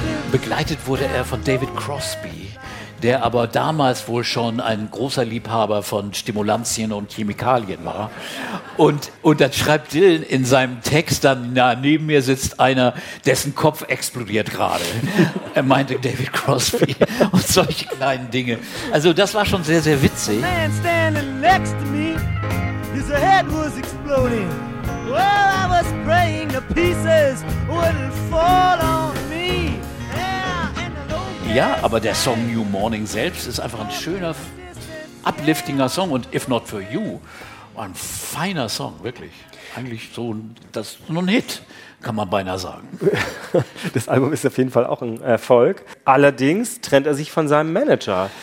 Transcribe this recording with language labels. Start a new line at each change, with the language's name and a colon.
German: Begleitet wurde er von David Crosby, der aber damals wohl schon ein großer Liebhaber von Stimulanzien und Chemikalien war. Und dann schreibt Dylan in seinem Text dann, na, neben mir sitzt einer, dessen Kopf explodiert gerade. Er meinte David Crosby und solche kleinen Dinge. Also das war schon sehr, sehr witzig.
English: The man standing next to me, his head was exploding. Well, I was praying the pieces wouldn't fall on.
German: Ja, aber der Song New Morning selbst ist einfach ein schöner, upliftinger Song. Und If Not For You, ein feiner Song, wirklich. Eigentlich so das ist nur ein Hit, kann man beinahe sagen. Das Album ist auf jeden Fall auch ein Erfolg. Allerdings trennt er sich von seinem Manager.